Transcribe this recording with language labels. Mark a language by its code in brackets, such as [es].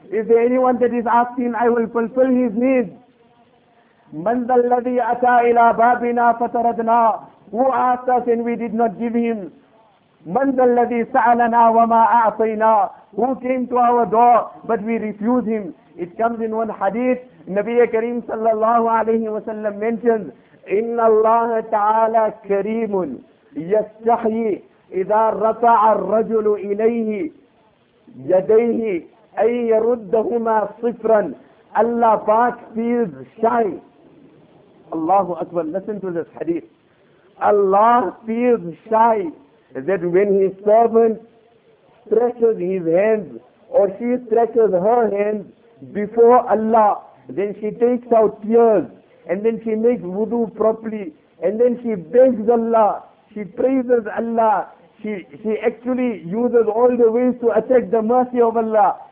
[en] Is there anyone that is asking? I will fulfill his needs. [ar] مَنْ ذَا الَّذِي أَتَى إِلَىٰ بَابِنَا فَتَرَدْنَا. [en] Who asked us and we did not give him? [ar] مَنْ ذَا الَّذِي سَعَلَنَا وَمَا أَعْطَيْنَا. [en] Who came to our door but we refused him? It comes in one hadith. Nabiya Kareem sallallahu alayhi wa sallam mentions, [ar] إِنَّ اللَّهَ تَعَالَى كَرِيمٌ يَسْتَحْيِي إِذَا رَفَعَ الرَّجُلُ إِلَيْهِ يَدَيْهِ أَنْ يَرُدَّهُمَا صِفْرًا. [en] Allah Pak feels shy. Allahu Akbar, listen to this hadith. Allah feels shy that when His servant stretches his hands or she stretches her hands before Allah, then she takes out tears and then she makes wudu properly and then she begs Allah, she praises Allah, She actually uses all the ways to attack the mercy of Allah.